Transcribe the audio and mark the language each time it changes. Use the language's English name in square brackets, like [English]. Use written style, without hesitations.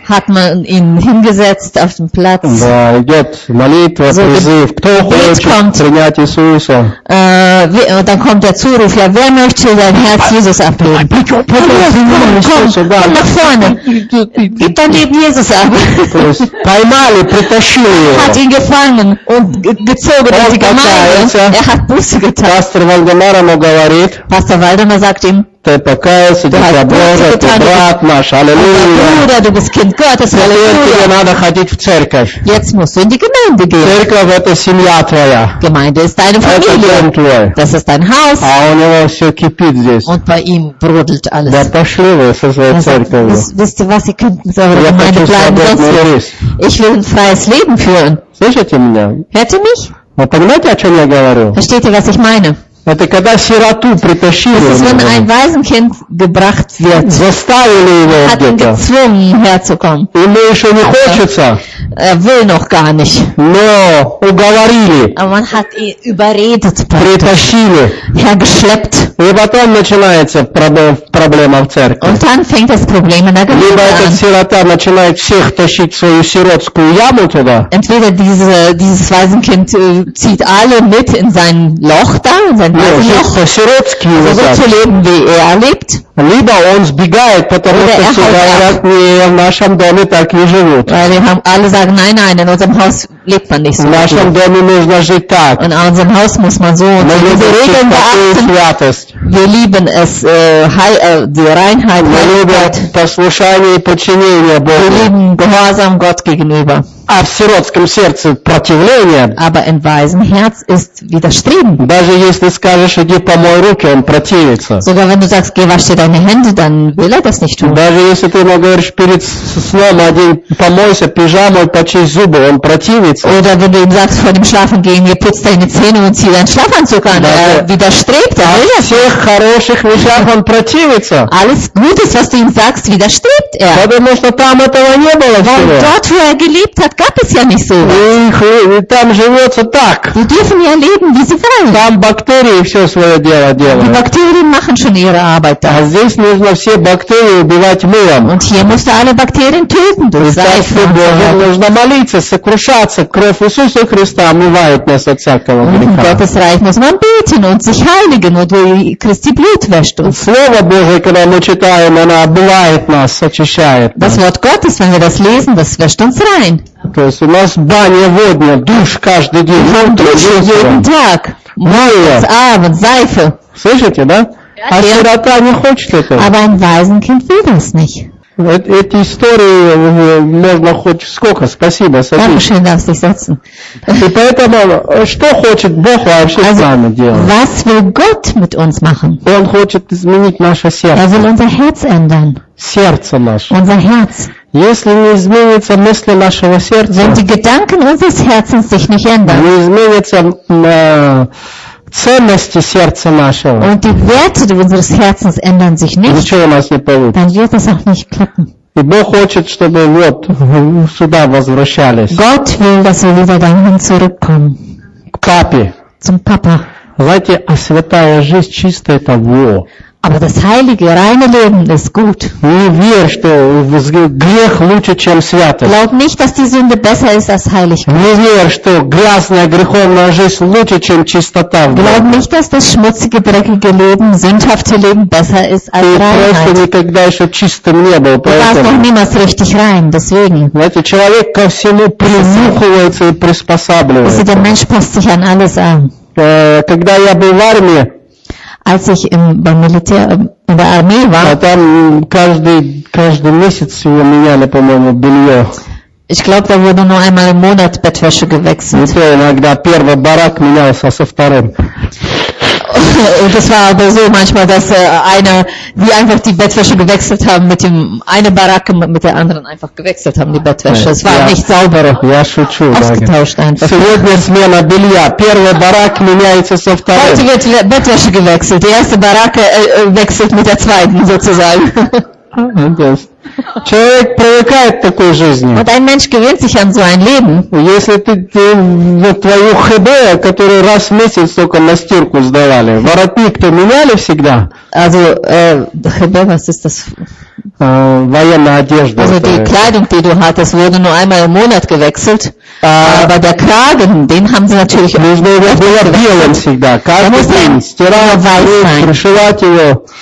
[German] Hat man ihn hingesetzt auf dem Platz. [Russian] Да, идет молитва, so, призыв. Кто хочет принять Иисуса? [German] Dann kommt der Zuruf. Ja, wer möchte sein Herz Jesus abgeben? Komm nach vorne. Gib dein Leben Jesus ab. [Russian] Поймали, притащили его. [German] Hat ihn gefangen und gezogen in die Gemeinde. Er hat Buße getan. [Russian] Pastor Waldemar ему говорит. [German] Pastor Waldemar sagt ihm. [Russian] Ты покаялся, ты Боже, ты брат наш, аллилуйя. Ты без кин, кот, аллилуйя. Тебе надо ходить в церковь. [German] Jetzt musst du in die Gemeinde gehen. [Russian] Церковь это семья твоя. [German] Gemeinde ist deine Familie. [Russian] Это дом твой. [German] Das ist dein Haus. [Russian] А у него все кипит здесь. [German] Und bei ihm brodelt alles. [Russian] Да пошли вы со своей церковью. [German] Wisst ihr, was ihr könnt in eurer Gemeinde bleiben? Ich will ein freies Leben führen. [Russian] Слышите меня? [German] Hört ihr mich? [Russian] Вы понимаете, о чем я говорю? [German] Versteht ihr, was ich meine? [Russian] Это когда сироту притащили. [German] Das ist, wenn ein Waisenkind gebracht wird. [Russian] Заставили его где-то. [German] Hat ihn gezwungen, herzukommen. [Russian] Ему еще не хочется. [German] Er will noch gar nicht. [Russian] Но уговорили. [German] Aber man hat ihn überredet. [Russian] Притащили. [German] Hergeschleppt. [Russian] И потом начинается проблема в церкви. [German] Und dann fängt das Problem in der Gemeinde an. [Russian] Либо эта сирота начинает всех тащить в свою сиротскую яму туда. [German] Entweder dieses Waisenkind zieht alle mit in sein Loch da. Also so zu leben, wie er lebt. [Russian] Либо он сбегает, потому что сирот не в нашем доме так не живут. [German] Alle sagen, nein, nein, in unserem Haus lebt man nicht so. [Russian] В нашем доме нужно жить так. [German] In unserem Haus muss man so. Wir lieben es, die Reinheit. Wir lieben [Russian] послушание и подчинение Богу. [German] Wir lieben Gehorsam Gott gegenüber. [Russian] А в сиротском сердце противление. [German] Aber in weisem Herz ist Widerstreben. [Russian] Даже если скажешь, иди помой руки, он противится. [German] Sogar wenn du sagst, geh wasch deine Hände, dann will er das nicht tun. [Russian] Даже если ты ему говоришь перед сном, один помойся, пижаму, почисть зубы, он противится. [German] Oder wenn du ihm sagst, vor dem Schlafen gehen, ihr putzt deine Zähne und zieh deinen Schlafanzug an, er widerstrebt, er will das. [Russian] Всех хороших вещах он противится. [German] Alles Gutes, was du ihm sagst, widerstrebt er. [Russian] Потому что там этого не было. [German] Weil dort, wo er gelebt hat, gab es ja nicht so. [Russian] И там живется так. [German] Die dürfen ja leben, wie sie wollen. [Russian] Там бактерии все свое дело делают. [German] Die Bakterien machen schon ihre Arbeit. [Russian] А здесь нужно все бактерии убивать мылом. [German] Und hier musst du alle Bakterien töten, du Seifen. [Russian] Нужно молиться, сокрушаться. Кровь Иисуса Христа омывает нас от всякого греха. [German] In Gottes Reich muss man beten und sich heiligen und Christi Blut wäscht uns. [Russian] Слово Божие, когда мы читаем, оно обывает нас, очищает нас. [German] Das Wort Gottes, wenn wir das lesen, das wäscht uns rein. [Russian] То есть у нас баня водная, душ каждый день. Душ каждый день. Слышите, да? А сирота не хочет этого. [German] Aber ein Waisenkind will das nicht. [Russian] Эти истории можно хоть сколько, спасибо, садись. И поэтому, что хочет Бог вообще с нами делать? [German] Was will Gott mit uns machen? [Russian] Он хочет изменить наше сердце. [German] Er will unser Herz ändern. [Russian] Сердце наше. [German] Unser Herz. [Russian] Если не изменится мысли нашего сердца, [German] wenn die Gedanken unseres Herzens sich nicht ändern, [Russian] не изменится ценности сердца нашего, [German] und die Werte unseres Herzens ändern sich nicht, [Russian] ничего у нас не получится, [German] dann wird es auch nicht klappen. [Russian] И Бог хочет, чтобы вот сюда возвращались. [German] Gott will, dass wir wieder dahin zurückkommen. [Russian] К папе. [German] Zum Papa. [Russian] Знаете, а святая жизнь чистая – это во. [German] Aber das heilige, reine Leben ist gut. Glaub nicht, dass die Sünde besser ist als Heiligkeit. Glaub nicht, dass das schmutzige, dreckige Leben, sündhafte Leben besser ist als Reinheit. Du warst noch niemals richtig rein, deswegen. Der Mensch passt sich an alles an. [Russian] Когда я был в армии, [German] als ich in der Armee war, [Russian] каждый месяц его меняли, по-моему, белье. [German] Ich glaube, da wurde nur einmal im Monat Bettwäsche gewechselt. [Russian] И то иногда первый барак менялся со вторым. [German] Und es war aber so manchmal, dass wie einfach die Bettwäsche gewechselt haben, mit dem eine Baracke mit der anderen einfach gewechselt haben, die Bettwäsche. Es war nicht sauber. [Russian] Я шучу, [German] ausgetauscht einfach. [Russian] Сегодня смена белья. Первый барак меняется со вторым. [German] Heute wird Bettwäsche gewechselt. Die erste Baracke wechselt mit der zweiten, sozusagen. [Russian] Человек привыкает к такой жизни. [German] Und ein Mensch gewöhnt sich an so ein Leben. [Russian] Если ты твою ХБ, которую раз в месяц только на стирку сдавали, воротник то меняли всегда. [German] Also ХБ, was ist das? [Russian] Военная одежда. [German] Also die Kleidung, die du hattest, wurde nur einmal im Monat gewechselt. Aber der Kragen, den haben sie natürlich auch gewechselt. Da musste man ihn.